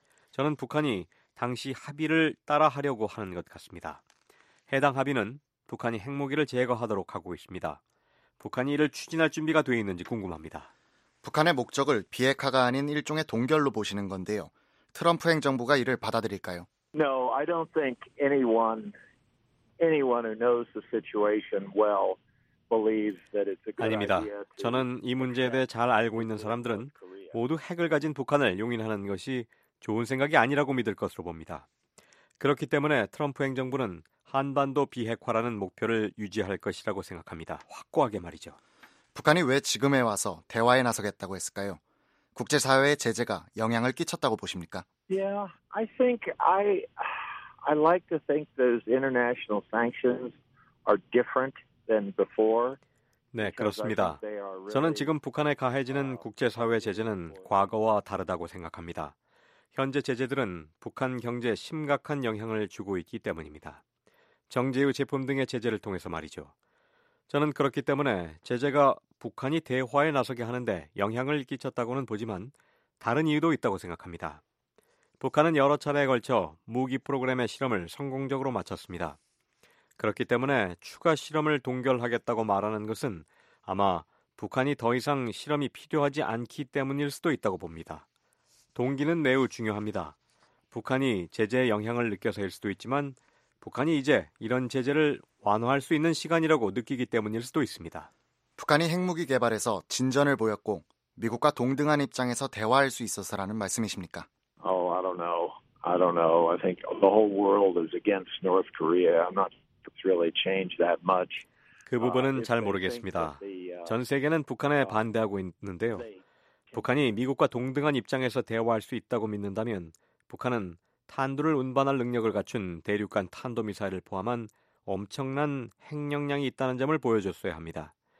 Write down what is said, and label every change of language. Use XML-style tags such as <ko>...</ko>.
<ko>저는 북한이 당시 합의를 따라하려고 하는 것 같습니다. 해당 합의는 북한이 핵무기를 제거하도록 하고 있습니다. 북한이 이를 추진할 준비가 되어 있는지 궁금합니다. 북한의 목적을 비핵화가 아닌 일종의 동결로 보시는 건데요. 트럼프 행정부가 이를 받아들일까요?</ko> <en>No, I don't think anyone who knows the situation well believes that it's a good idea.</en> <ko>아닙니다. 저는 이 문제에 대해 잘 알고 있는 사람들은 모두 핵을 가진 북한을 용인하는 것이 좋은 생각이 아니라고 믿을 것으로 봅니다. 그렇기 때문에 트럼프 행정부는 한반도 비핵화라는 목표를 유지할 것이라고 생각합니다. 확고하게 말이죠. 북한이 왜 지금에 와서 대화에 나서겠다고 했을까요? 국제사회의 제재가 영향을 끼쳤다고 보십니까?</ko> <en>Yeah, I think I like to think those international sanctions are different than before.</en> <ko>네, 그렇습니다. 저는 지금 북한에 가해지는 국제사회 제재는 과거와 다르다고 생각합니다. 현재 제재들은 북한 경제에 심각한 영향을 주고 있기 때문입니다. 정제유 제품 등의 제재를 통해서 말이죠. 저는 그렇기 때문에 제재가 북한이 대화에 나서게 하는데 영향을 끼쳤다고는 보지만 다른 이유도 있다고 생각합니다. 북한은 여러 차례에 걸쳐 무기 프로그램의 실험을 성공적으로 마쳤습니다. 그렇기 때문에 추가 실험을 동결하겠다고 말하는 것은 아마 북한이 더 이상 실험이 필요하지 않기 때문일 수도 있다고 봅니다. 동기는 매우 중요합니다. 북한이 제재의 영향을 느껴서일 수도 있지만 북한이 이제 이런 제재를 완화할 수 있는 시간이라고 느끼기 때문일 수도 있습니다. 북한이 핵무기 개발에서 진전을 보였고 미국과 동등한 입장에서 대화할 수 있어서라는 말씀이십니까?</ko> <en>Oh, I don't know. I don't know. I think the whole world is against North Korea. I'm not really changed that much.</en> <ko>그 부분은 잘 모르겠습니다. 전 세계는 북한에 반대하고 있는데요. 북한이 미국과 동등한 입장에서 대화할 수 있다고 믿는다면 북한은 탄두를 운반할 능력을 갖춘 대륙간 탄도미사일을 포함한 엄청난 핵 역량이 있다는 점을 보여줬어야 합니다.</ko>